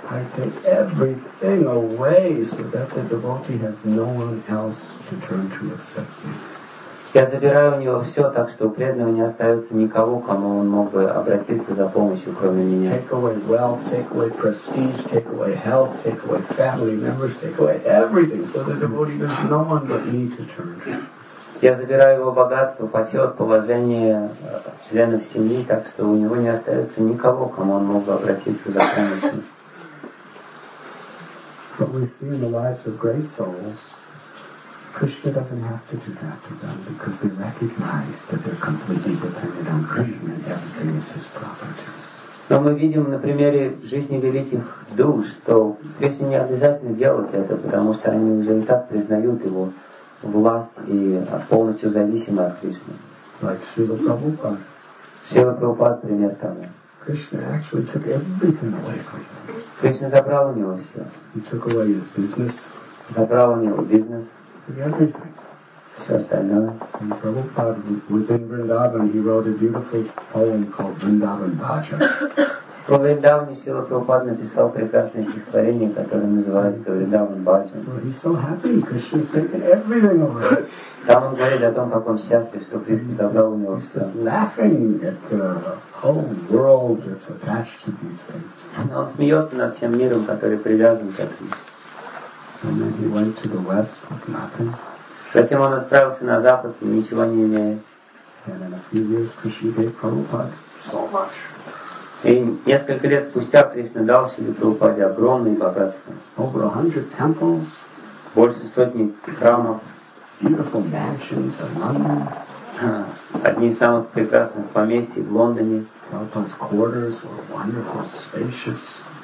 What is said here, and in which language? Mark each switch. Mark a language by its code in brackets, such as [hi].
[en] I take everything away so that the devotee has no one else to turn to except me. [ru] Я забираю у него все, так что у преданного не остается никого, кому он мог бы обратиться за помощью, кроме меня. [en] Take away wealth, take away prestige, take away health, take away family members, take away everything, so the devotee has no one but me to turn to. [ru] Я забираю его богатство, почет, положение членов семьи, так что у него не остается никого, кому он мог бы обратиться за помощью. [en] But we see in the lives of great souls, Krishna doesn't have to do that to them because they recognize that they're completely dependent on Krishna and everything is his property. [ru] Но мы видим на примере жизни великих душ, что Кришне не обязательно делать это, потому что они уже и так признают его власть и полностью зависимы от Кришны. [en] Like Śrīla Prabhupāda. [ru] Śrīla Prabhupāda пример тому. [en] Krishna actually took everything away from him. [ru] Кришна забрал у него все. [en] He took away his business. [ru] Забрал у него бизнес. [en] Everything. Prabhupada was in Vrindavan. He wrote a beautiful poem called Vrindavan Bhaja. [ru] Во Вриндаване Сила Прабхупада написал прекрасное стихотворение, которое называется Вриндаван Бхаджан. [en] He's so happy. Krishna's taken everything away. [ru] Там он говорит о том, как он счастлив, что Кришна забрал у него все. [en] He's laughing at the whole world that's attached to these things. [ru] Он смеется над всем миром, который привязан к этому. [en] And then he went to the west with nothing. [ru] Затем он отправился на запад, ничего не имея. [en] And in a few years, Krishna gave Prabhupada so much. [ru] И несколько лет спустя Кришна дал Шиле Прабхупаде огромные богатства. [en] Over 100 temples. [ru] Больше сотни храмов. [en] Beautiful mansions in London. [ru] Одни из самых прекрасных поместьй в Лондоне. [en] Prabhupada's quarters were wonderful, spacious.